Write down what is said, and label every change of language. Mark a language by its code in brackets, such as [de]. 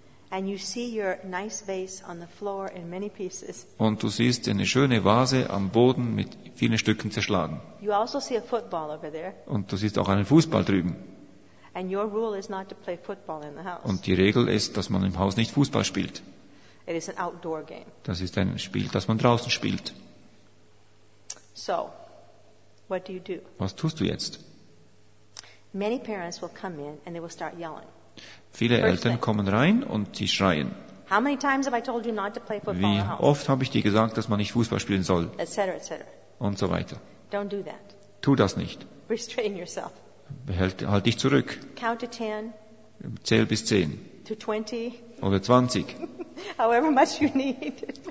[en] And you see your nice vase on the floor in many pieces. [de] Und du siehst eine schöne Vase am Boden mit vielen Stücken zerschlagen. [en] You also see a football over there. [de] Und du siehst auch einen Fußball drüben. [en] And your rule is not to play football in the house. [de] Und die Regel ist, dass man im Haus nicht Fußball spielt. [en] It is an outdoor game. [de] Das ist ein Spiel, das man draußen spielt. [en] So, what do you do? [de] Was tust du jetzt? [en] Many parents will come in and they will start yelling. [de] Viele Eltern kommen rein und sie schreien. [en] How many times have I told you not to play football? [de] Wie oft habe ich dir gesagt, dass man nicht Fußball spielen soll? [en] Et cetera, et cetera. [de] Und so weiter. [en] Don't do that. [de] Tu das nicht. [en] Restrain yourself. [de] Halt dich zurück. [en] Count to 10. [de] Zähl bis 10. [en] To 20. [de] Oder 20. [en] However much you need.